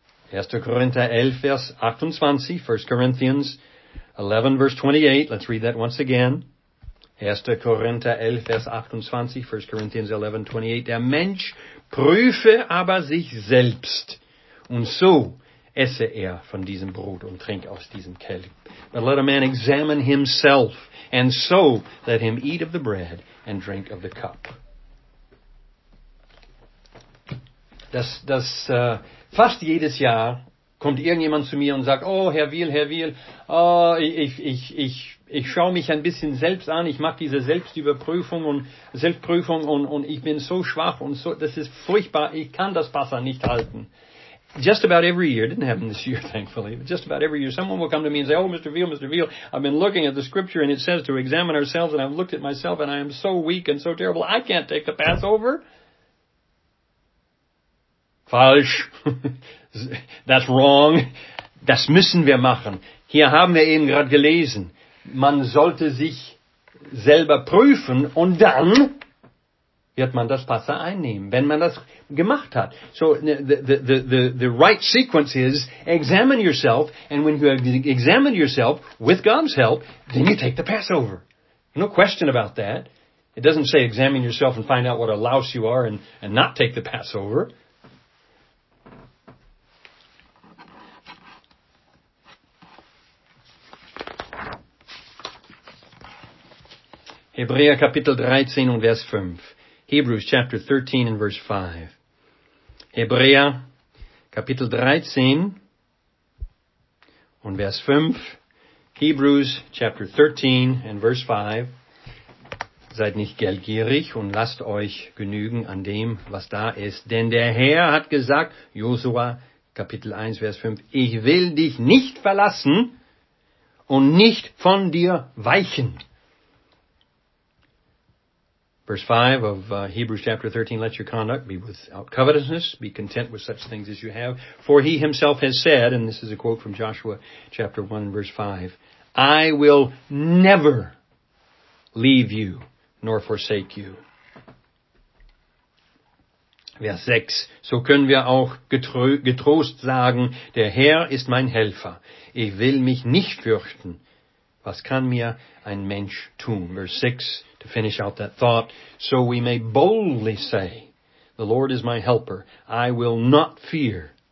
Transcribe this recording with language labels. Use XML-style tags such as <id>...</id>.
<de>1. Korinther 11, Vers 28,</de> <en>1. Corinthians 11, Vers 28, let's read that once again.</en> <de>1. Korinther 11, Vers 28, 1.</de> <en>Corinthians 11, 28,</en> <de>der Mensch prüfe aber sich selbst und so esse er von diesem Brot und trink aus diesem Kelch.</de> <en>But let a man examine himself, and so let him eat of the bread and drink of the cup.</en> <de>Das fast jedes Jahr kommt irgendjemand zu mir und sagt, oh, Herr Wiel, oh, ich schaue mich ein bisschen selbst an, ich mache diese Selbstprüfung und ich bin so schwach und so, das ist furchtbar, ich kann das Wasser nicht halten.</de> <en>Just about every year, didn't happen this year, thankfully, but just about every year, someone will come to me and say, oh, Mr. Veal, I've been looking at the scripture and it says to examine ourselves and I've looked at myself and I am so weak and so terrible, I can't take the Passover.</en> <de>Falsch.</de> <en>That's wrong.</en> <de>Das müssen wir machen. Hier haben wir eben gerade gelesen. Man sollte sich selber prüfen und dann wird man das Passa einnehmen, wenn man das gemacht hat.</de> <en>So the right sequence is examine yourself, and when you have examined yourself with God's help, then you take the Passover. No question about that. It doesn't say examine yourself and find out what a louse you are and not take the Passover.</en> <de>Hebräer Kapitel 13 und Vers 5.</de> <en>Hebrews chapter 13 and verse 5.</en> <de>Hebräer Kapitel 13 und Vers 5.</de> <en>Hebrews chapter 13 and verse 5.</en> <de>Seid nicht geldgierig und lasst euch genügen an dem, was da ist. Denn der Herr hat gesagt, Josua Kapitel 1 Vers 5, ich will dich nicht verlassen und nicht von dir weichen.</de> <en>Verse 5 of Hebrews chapter 13, let your conduct be without covetousness, be content with such things as you have. For he himself has said, and this is a quote from Joshua chapter 1, verse 5, I will never leave you nor forsake you.</en> <de>Vers 6, so können wir auch getrost sagen, der Herr ist mein Helfer. Ich will mich nicht fürchten, was kann mir ein Mensch tun?</de> <en>Verse 6, to finish out that thought, so we may boldly say, the Lord is my helper, I will not fear.</en>